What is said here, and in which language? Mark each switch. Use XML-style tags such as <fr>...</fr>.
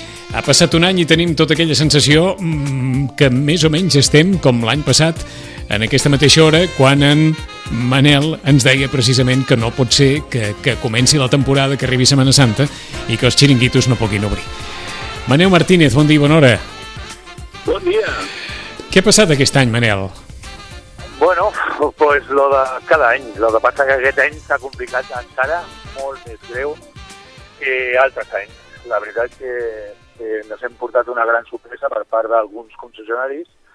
<ca>Ha passat un any i tenim tota aquella sensació que més o menys estem com l'any passat, en aquesta mateixa hora, quan en Manel ens deia precisament que no pot ser que comenci la temporada, que arribi Setmana Santa i que els xiringuitos no puguin obrir. Maneu Martínez, bon dia i bona hora. Bon dia. Què ha passat aquest any, Manel?</ca> <es>Bueno, pues lo de cada any.</es> <ca>Lo que passa que aquest any s'ha complicat encara molt més greu que altres anys. La veritat és que ens hem portat una gran sorpresa per part d'alguns concessionaris.</ca>